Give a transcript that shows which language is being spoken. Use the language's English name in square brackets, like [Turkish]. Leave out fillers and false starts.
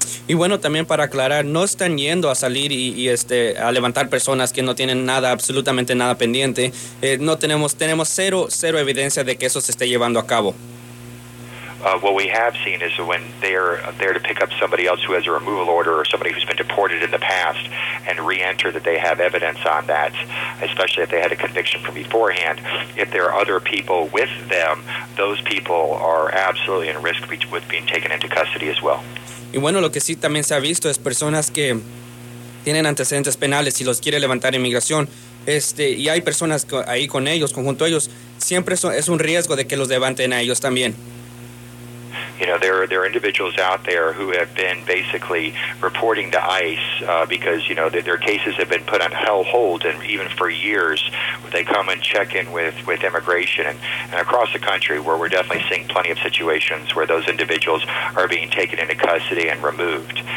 [Spanish] Y bueno, también para aclarar, no están yendo a salir y a levantar personas que no tienen nada, absolutamente nada pendiente. No tenemos cero evidencia de que eso se esté llevando a cabo. [English] What we have seen is when they're there to pick up somebody else who has a removal order or somebody who's been deported in the past and re-enter, that they have evidence on that, especially if they had a conviction from beforehand. If there are other people with them, those people are absolutely in risk with being taken into custody as well. [Spanish] Y bueno, lo que sí también se ha visto es personas que tienen antecedentes penales y los quiere levantar inmigración. Y hay personas ahí con ellos, conjunto a ellos. Siempre es un riesgo de que los levanten a ellos también. [English] You know, there are individuals out there who have been basically reporting to ICE because, you know, their cases have been put on hold, and even for years they come and check in with immigration. And across the country, where we're definitely seeing plenty of situations where those individuals are being taken into custody and removed.